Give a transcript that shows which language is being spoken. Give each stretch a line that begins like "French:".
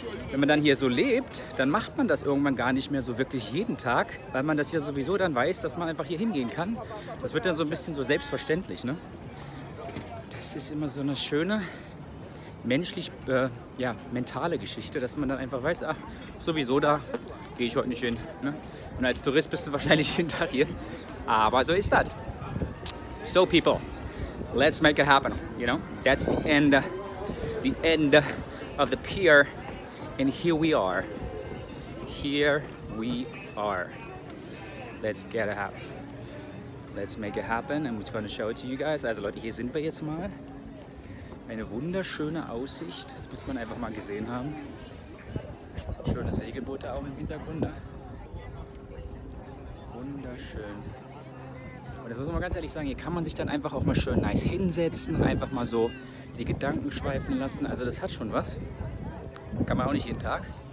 German: Wenn man dann hier so lebt, dann macht man das irgendwann gar nicht mehr so wirklich jeden Tag, weil man das ja sowieso dann weiß, dass man einfach hier hingehen kann. Das wird dann so ein bisschen so selbstverständlich, ne? Das ist immer so eine schöne... menschlich, mentale Geschichte, dass man dann einfach weiß, ach, sowieso da gehe ich heute nicht hin. Ne? Und als Tourist bist du wahrscheinlich jeden Tag hier. Aber so ist das.
English: So, people, let's make it happen, you know? That's the end of the pier. And here we are. Here we are. Let's get it happen. Let's make it happen. And we're going to show it to you guys.
German: Also, Leute, hier sind wir jetzt mal. Eine wunderschöne Aussicht, das muss man einfach mal gesehen haben. Schöne Segelboote auch im Hintergrund. Wunderschön. Und das muss man ganz ehrlich sagen, hier kann man sich dann einfach auch mal schön nice hinsetzen, einfach mal so die Gedanken schweifen lassen. Also das hat schon was. Kann man auch nicht jeden Tag.